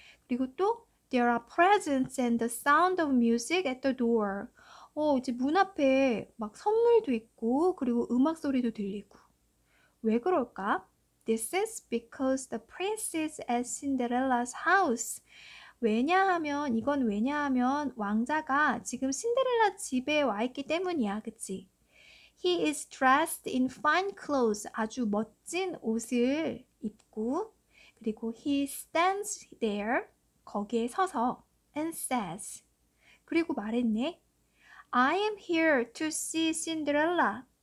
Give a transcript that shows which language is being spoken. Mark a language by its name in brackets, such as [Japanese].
[Korean] 그리고 또 [English] there are presents and the sound of music at the door. [Korean] 이제 문 앞에 막 선물도 있고 그리고 음악 소리도 들리고. 왜 그럴까? [English] This is because the prince is at Cinderella's house. [Korean] 왜냐하면, 이건 왜냐하면 왕자가 지금 신데렐라 집에 와 있기 때문이야, 그치? [English] He is dressed in fine clothes, [Korean] 아주 멋진 옷을 입고, 그리고 [English] he stands there, [Korean] 거기에 서서, [English] and says, [Korean] 그리고 말했네, [English] I am here to see Cinderella.